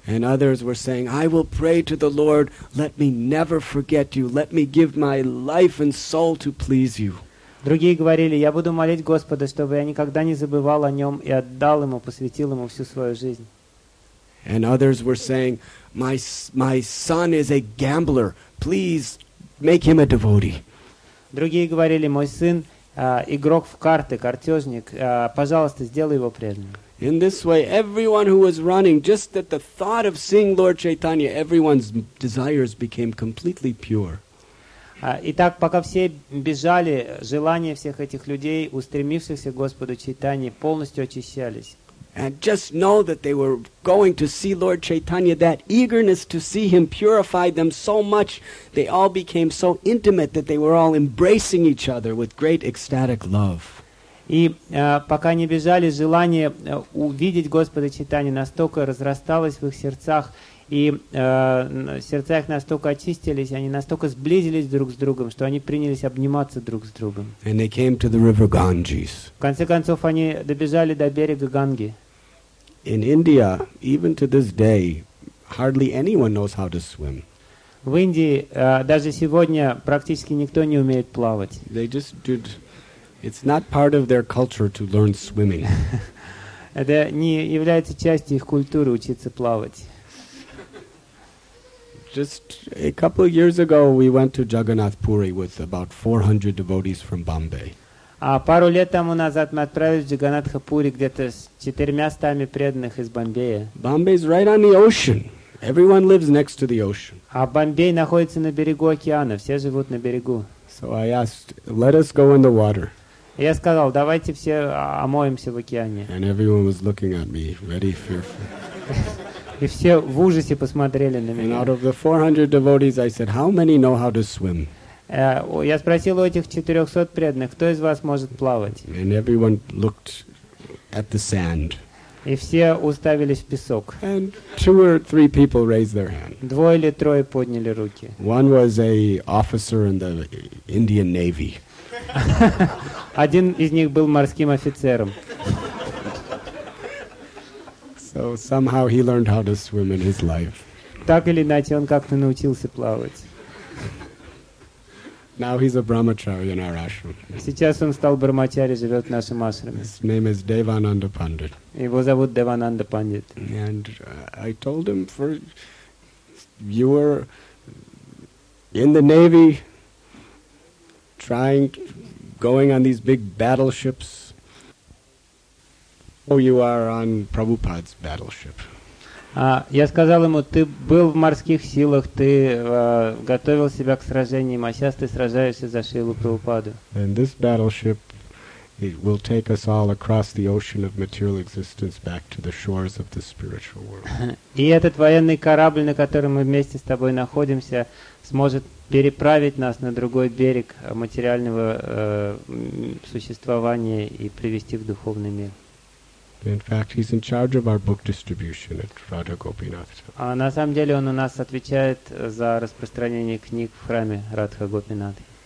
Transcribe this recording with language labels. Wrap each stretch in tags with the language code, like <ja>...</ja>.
<en>And others were saying, "I will pray to the Lord, let me never forget you, let me give my life and soul to please you."</en> <ru>Другие говорили: "Я буду молить Господа, чтобы я никогда не забывал о нем и отдал ему, посвятил ему всю свою жизнь." Другие говорили: "Мой сын игрок в карты, картежник, пожалуйста, сделай его преданным."</ru> <en>In this way, everyone who was running, just at the thought of seeing Lord Chaitanya, everyone's desires became completely pure.</en> <ru>Итак, пока все бежали, желания всех этих людей, устремившихся к Господу Чайтанье, полностью очищались.</ru> <en>And just know that they were going to see Lord Chaitanya. That eagerness to see him purified them so much, they all became so intimate that they were all embracing each other with great ecstatic love.</en> <ru>И пока они бежали, желание увидеть Господа Чайтанью настолько разрасталось в их сердцах, и сердца их настолько очистились, они настолько сблизились друг с другом, что они принялись обниматься друг с другом.</ru> <en>And they came to the river Ganges.</en> <ru>В конце концов, они добежали до берега Ганги.</ru> <en>In India, even to this day, hardly anyone knows how to swim.</en> <ru>В Индии даже сегодня практически никто не умеет плавать.</ru> <en>They just did. It's not part of their culture to learn swimming.</en> <ru>Это не является частью их культуры учиться плавать.</ru> <en>Just a couple of years ago, we went to Jagannath Puri with about 400 devotees from Bombay.</en> <ru>А пару лет тому назад мы отправились в Джаганнатха-пури где-то с 400 преданных из Бомбея.</ru> <en>Bombay is right on the ocean. Everyone lives next to the ocean.</en> <ru>А Бомбей находится на берегу океана. Все живут на берегу.</ru> <en>So I asked, "Let us go in the water."</en> <ru>Я сказал, давайте все омоемся в океане.</ru> <en>And everyone was looking at me, very fearful.</en> <ru>И все в ужасе посмотрели на меня.</ru> <en>And out of the 400 devotees, I said, how many know how to swim?</en> <ru>Я спросил у этих 400 преданных, кто из вас может плавать?</ru> <en>And everyone looked at the sand.</en> <ru>И все уставились в песок.</ru> <en>And two or three people raised their hand.</en> <ru>Двое или трое подняли руки.</ru> <en>One was a officer in the Indian Navy.</en> <ru>Один из них был морским офицером.</ru> <en>So somehow he learned how to swim in his life.</en> <ru>Так или иначе, он как-то научился плавать.</ru> <en>Now he's a brahmacharya in our ashram.</en> <ru>Сейчас он стал брахмачари, живет в нашем ашраме.</ru> <en>His name is Devananda Pandit.</en> <ru>Его зовут Девананда Пандит.</ru> <en>And I told him, for you were in the Navy, trying to going on these big battleships. Oh, you are on Prabhupada's battleship.</en> <ru>Я сказал ему, ты был в морских силах, ты готовил себя к сражениям, а сейчас ты сражаешься за Шрилу Прабхупаду.</ru> <en>And this battleship, it will take us all across the ocean of material existence back to the shores of the spiritual world.</en> <ru>И этот военный корабль, на котором мы вместе с тобой находимся, сможет переправить нас на другой берег материального существования и привести в духовный мир.</ru> <en>In fact, he's in charge of our book distribution at Radha Gopinath.</en> <ru>А на самом деле он у нас отвечает за распространение книг в храме Радха Гопинат.</ru>